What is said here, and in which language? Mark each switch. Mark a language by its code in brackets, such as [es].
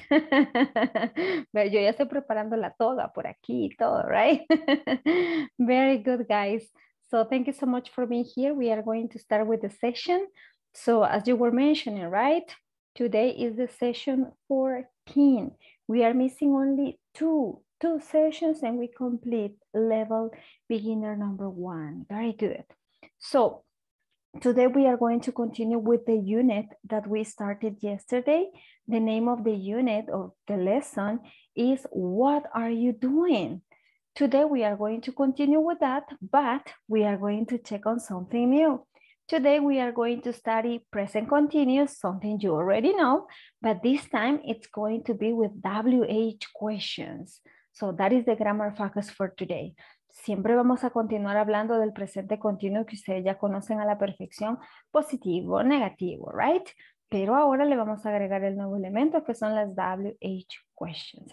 [es] Pero yo ya estoy preparando la toga por aquí y todo, right? [en] Very good, guys. So thank you so much for being here. We are going to start with the session. So as you were mentioning, right? Today is the session 14. We are missing only two sessions and we complete level beginner number one. Very good. So today we are going to continue with the unit that we started yesterday. The name of the unit or the lesson is What Are You Doing? Today we are going to continue with that, but we are going to check on something new. Today we are going to study present continuous, something you already know, but this time it's going to be with WH questions. So that is the grammar focus for today. [es] Siempre vamos a continuar hablando del presente continuo que ustedes ya conocen a la perfección, positivo, negativo, right? Pero ahora le vamos a agregar el nuevo elemento que son las WH questions.